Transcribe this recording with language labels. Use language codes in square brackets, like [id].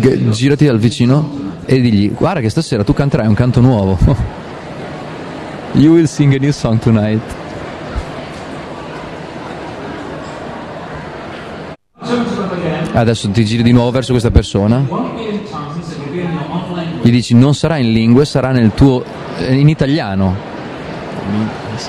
[it] Girati al vicino e digli: guarda che stasera tu canterai un canto nuovo. [en] You will sing a new song tonight. [it] Adesso ti giri di nuovo verso questa persona, gli dici: non sarà in lingue, sarà nel tuo, in italiano.